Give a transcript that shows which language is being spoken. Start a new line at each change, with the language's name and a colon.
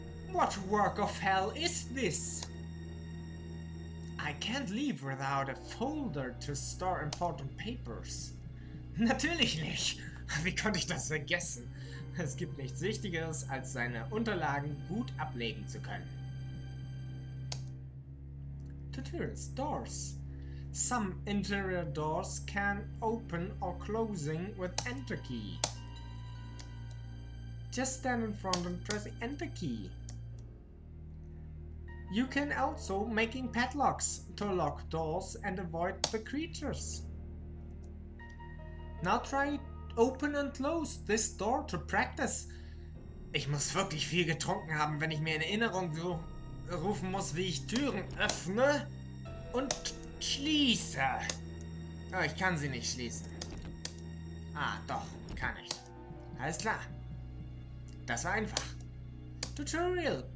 English: What work of hell is this? I can't leave without a folder to store important papers.
German: Natürlich nicht. Wie konnte ich das vergessen? Es gibt nichts Wichtigeres, als seine Unterlagen gut ablegen zu können.
English: To Türen's doors. Some interior doors can open or closing with enter key. Just stand in front and press the enter key. You can also making padlocks to lock doors and avoid the creatures. Now try open and close this door to practice.
German: Ich muss wirklich viel getrunken haben, wenn ich mir in Erinnerung rufen muss, wie ich Türen öffne und schließe. Oh, ich kann sie nicht schließen. Ah, doch, kann ich. Alles klar. Das war einfach. Tutorial.